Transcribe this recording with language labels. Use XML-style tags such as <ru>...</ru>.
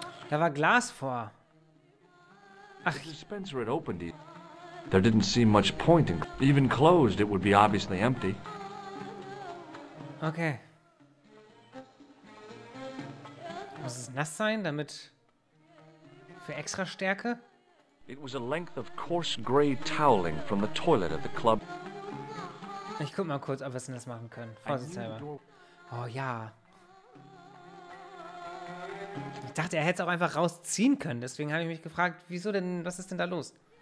<de>Da war Glas vor. Ach.</de> <en>The dispenser had opened it. There didn't seem much point in. Even closed, it would be obviously empty. Okay.</en> <de>Muss es nass sein, damit für extra Stärke?</de> <en>It was a length of coarse gray toweling from the toilet at the club.</en> <de>Ich guck mal kurz, ob wir es denn das machen können. Vorsichtshalber. Oh ja. Ich dachte, er hätte es auch einfach rausziehen können. Deswegen habe ich mich gefragt, wieso denn, was ist denn da los?</de>